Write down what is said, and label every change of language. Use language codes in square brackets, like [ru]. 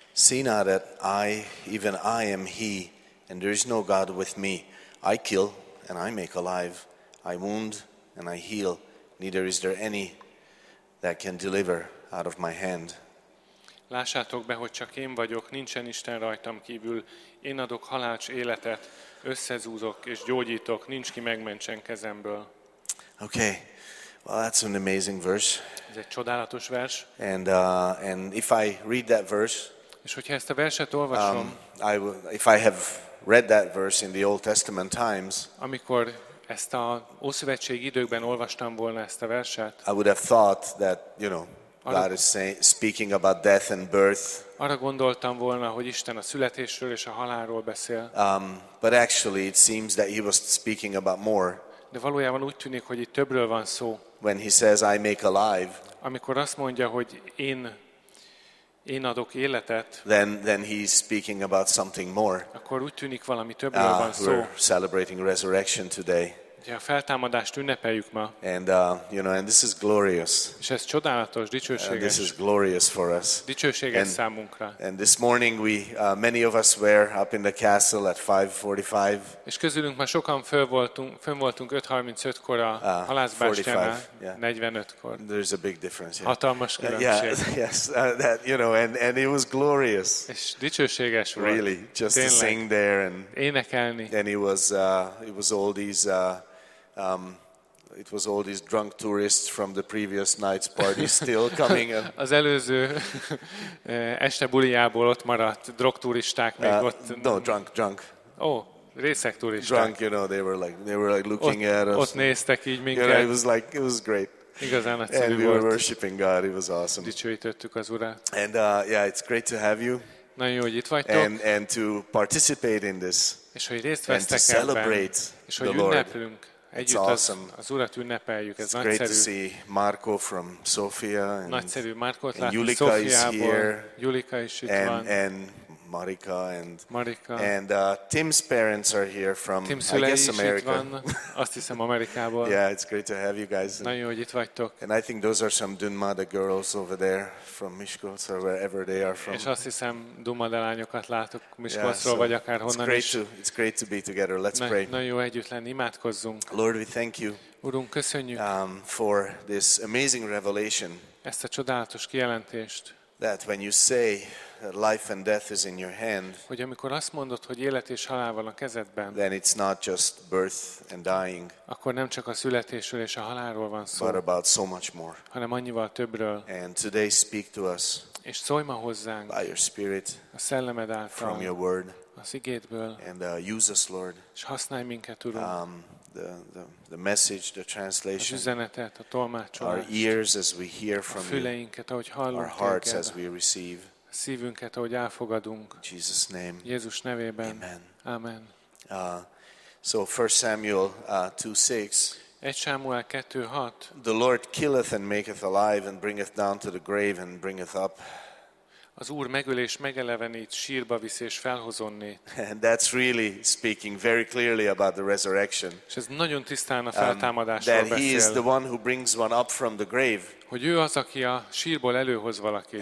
[en] See now that I, even I am he, and there is no God with me. I kill and I make alive. I wound and I heal. Neither is there any that can deliver out of my hand. [hu] Lássátok be, hogy csak én vagyok, nincsen Isten rajtam kívül. Én adok halács életet, összezúzok és gyógyítok, nincs ki megmentsen kezemből. [en] Okay. Well, that's an amazing verse. [hu] Ez egy csodálatos vers. [en] And if I read that verse, [hu] és hogyha ezt a verset olvasom, [en] if I have read that verse in the Old Testament times, [hu] amikor ezt a Ószövetség időkben olvastam volna ezt a verset, [en] I would have thought that, you know, God is speaking about death and birth. [hu] Arra gondoltam volna, hogy Isten a születésről és a halálról beszél. [en] But actually it seems that he was speaking about more. [hu] De valójában úgy tűnik, hogy itt többről van szó. [en] When he says I make alive. [hu] Amikor azt mondja, hogy én adok életet. [en] Then he's speaking about something more. [hu] Akkor úgy tűnik, valami többről van szó. [en] We're celebrating resurrection today. [hu] Ugye a feltámadást ünnepeljük ma. [en] And this is glorious. [hu] És ez csodálatos, dicsőséges. [en] This is glorious for us. [hu] Dicsőséges számunkra. [en] And this morning we many of us were up in the castle at 5:45. [hu] És közülünk már sokan fönn voltunk 5:35-kor a halászbástyánál, 45-kor. [en] There's a big difference. [hu] Yeah. Hatalmas különbség. [en] And it was glorious. [hu] És dicsőséges volt. [en] Really, just [hu] tényleg. [en] To sing there and [hu] énekelni. [en] And it was all these it was all these drunk tourists from the previous night's party still coming. [hu] Az előző este bulijából ott maradt drogturisták még ott. [en] No, drunk. [hu] Oh, részeg turisták. [en] Drunk, you know, they were like looking [hu] ott, [en] at us. [hu] Ott néztek így minket. [en] You know, it was great. [hu] Igazán nagyszerű volt. [en] And we [hu] volt. [en] Were worshiping God. It was awesome. [hu] Dicsőítettük az Urát. [en] And it's great to have you. [hu] Nagyon jó, hogy itt vagytok. [en] And to participate in this. [hu] És hogy részt vesztek ebben. És hogy ünnepelünk. Együtt [en] it's awesome. [hu] Az Urat ünnepeljük, ez [en] it's [hu] nagyszerű. [en] Great to see Marco from Sofia and Julika is here. [hu] Julika is itt [en] and, [hu] van. [en] And Marika and [hu] Marika. [en] And Tim's parents are here from Tim I guess America. [hu] Azt hiszem Amerikából. [en] Yeah, it's great to have you guys. [hu] Nagyon jó, hogy itt vagytok. [en] And I think those are some Dunmada girls over there from Miskolc or wherever they are from. [hu] És azt hiszem Dunmada lányokat látok Miskolcról vagy akár honnan is. [en] It's great to be together. Let's pray. [hu] Nagyon jó együtt lenni. Imádkozzunk. [en] Lord, we thank you. [hu] Urunk, köszönjük. [en] For this amazing revelation. [hu] Ezt a csodálatos kijelentést. [en] That when you say life and death is in your hand. [hu] Hogy amikor azt mondod, hogy élet és halál van a kezedben. [en] Then it's not just birth and dying. [hu] Akkor nem csak a születésről és a halálról van szó. [en] But about so much more. [hu] Hanem annyival többről. [en] And today speak to us. [hu] És szólj ma hozzánk. [en] By your spirit. [hu] A szellemed által. [en] From your word. [hu] Az igédből. [en] And use us, Lord. [hu] És használj minket, Urunk. [en] The message, the translation. [hu] Az üzenetet, a tolmácsolást. [en] Our ears as we hear from you. [hu] A füleinket, ahogy hallunk. [en] Our hearts as we receive. [hu] Szívünket, ahogy elfogadunk. [en] In Jesus name. [hu] Jézus nevében. [en] Amen. [hu] Amen. [en] So 1 Samuel 2:6. [hu] 1 Samuel 2:6. [en] The Lord killeth and maketh alive and bringeth down to the grave and bringeth up. [hu] Az Úr megöl és megelevenít, sírba visz és felhozonni. [en] And that's really speaking very clearly about the resurrection. [hu] És ez nagyon tisztán a feltámadásról beszél. [en] That he is the one who brings one up from the grave. [hu] Hogy ő az, aki a sírból előhoz valakit.